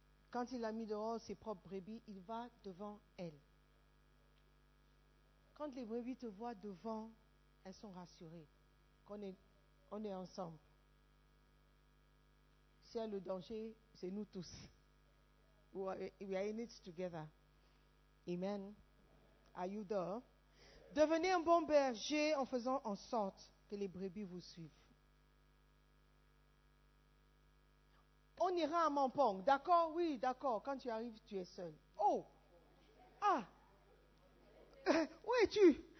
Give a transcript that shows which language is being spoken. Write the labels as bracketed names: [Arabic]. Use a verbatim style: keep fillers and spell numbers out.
[French] Quand il a mis dehors ses propres brebis, il va devant elles. Quand les brebis te voient devant, elles sont rassurées qu'on est, on est ensemble. S'il y a le danger, c'est nous tous. [English] We are, we are in it together. Amen. Are you there? [French] Devenez un bon berger en faisant en sorte que les brebis vous suivent. On ira à Mampong, d'accord? Oui, d'accord. Quand tu arrives, tu es seul. Oh! Ah! Où es-tu?